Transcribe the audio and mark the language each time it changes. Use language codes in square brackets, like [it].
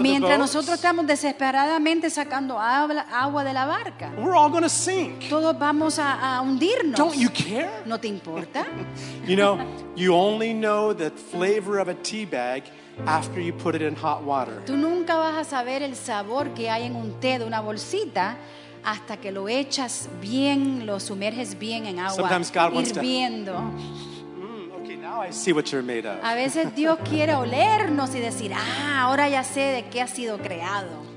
[es] Mientras nosotros estamos desesperadamente sacando agua de la barca. [en] We're all going to sink. [es] Todos vamos a hundirnos. [en] Don't you care? [es] ¿No te importa? [en] You know, you only know the flavor of a tea bag after you put it in hot water. [es] Tú nunca vas a saber el sabor que hay en un té de una bolsita hasta que lo echas bien, lo sumerges bien en agua hirviendo. [en] Sometimes God wants [es] hirviendo. [en] To... Now I see what you're made of. [es] A veces Dios quiere olernos y decir, ahora ya sé de qué ha sido creado.